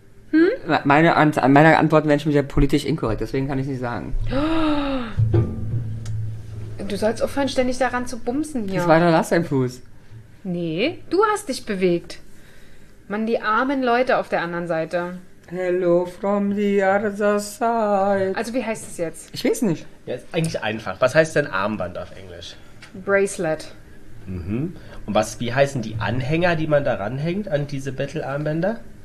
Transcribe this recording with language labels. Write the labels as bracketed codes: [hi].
[de] Hm? Meine Antwort wäre schon politisch inkorrekt, deswegen kann ich nicht sagen. Du sollst aufhören, ständig daran zu bumsen hier. Das war doch Lars sein Fuß. Nee, du hast dich bewegt. Mann, die armen Leute auf der anderen Seite. [en] Hello from the other side. [de] Also wie heißt es jetzt? Ich weiß nicht. Ja, ist eigentlich einfach. Was heißt denn Armband auf Englisch? [en] Bracelet. Mhm. [de] Und wie heißen die Anhänger, die man da ranhängt an diese Battle-Armbänder?